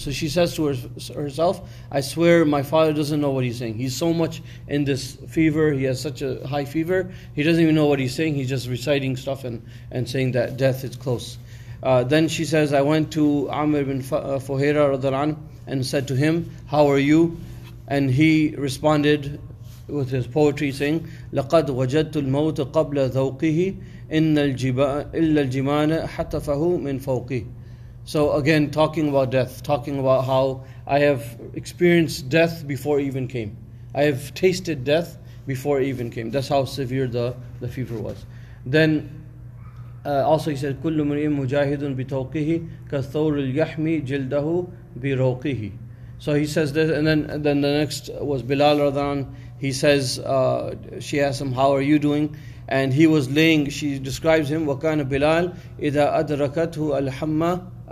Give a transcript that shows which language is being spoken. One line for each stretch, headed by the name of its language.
English: So she says to herself, "I swear, my father doesn't know what he's saying. He's so much in this fever. He has such a high fever. He doesn't even know what he's saying. He's just reciting stuff and saying that death is close." Then she says, I went to Amr ibn Fuhayra radhiallahu anhu and said to him, how are you? And he responded with his poetry saying,
Arabic: لَقَدْ وَجَدْتُ الْمَوْتَ قَبْلَ ذَوْقِهِ إِلَّا الْجِمَانَ حَتَّفَهُ مِنْ فَوْقِهِ.
English: So again, talking about death, talking about how I have experienced death before it even came. I have tasted death before it even came. That's how severe the fever was. Then also he said,
Arabic: كُلُّ مُرِئٍ مُجَاهِدٌ بِتَوْقِهِ كَالثَّوْرُ الْيَحْمِي جِلْدَهُ بِرَوْقِهِ.
English: So he says this, and then the next was Bilal Radhan. He says, she asked him, how are you doing? And he was laying, she describes him,
Arabic: وَكَانَ بِلَال إِذَا أَدْرَكَتْهُ الْحَمَّةُ.